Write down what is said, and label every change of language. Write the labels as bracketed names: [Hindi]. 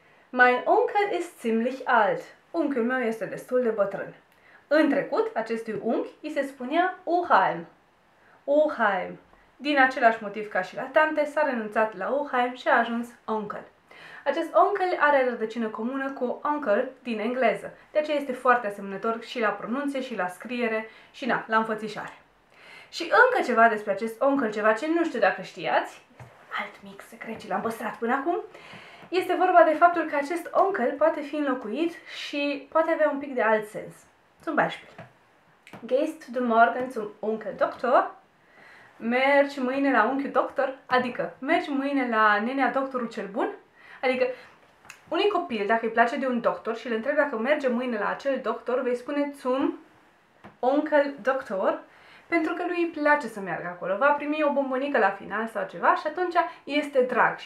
[German] Mein Onkel ist ziemlich alt. [Romanian] Unchiul meu este destul de bătrân. În trecut, acestui unchi îi se spunea Oheim. Oheim. Din același motiv ca și la tante, s-a renunțat la Oheim și a ajuns Onkel. Acest Onkel are rădăcină comună cu Uncle din engleză. De aceea este foarte asemănător și la pronunție, și la scriere, și na, la înfățișare. Și încă ceva despre acest Onkel, ceva ce nu știu dacă știați, alt mic secret și l-am păstrat până acum, este vorba de faptul că acest Onkel poate fi înlocuit și poate avea un pic de alt sens. [German] Zum Beispiel. Gehst du morgen zum Onkel Doktor? [Romanian] Mergi mâine la unchiul doctor? Adică, mergi mâine la nenea doctorul cel bun? Adică, unui copil, dacă îi place de un doctor și îl întrebi dacă merge mâine la acel doctor, vei spune [German] zum Onkel Doktor, [Romanian] pentru că lui îi place să meargă acolo. Va primi o bombonică la final sau ceva și atunci este drag.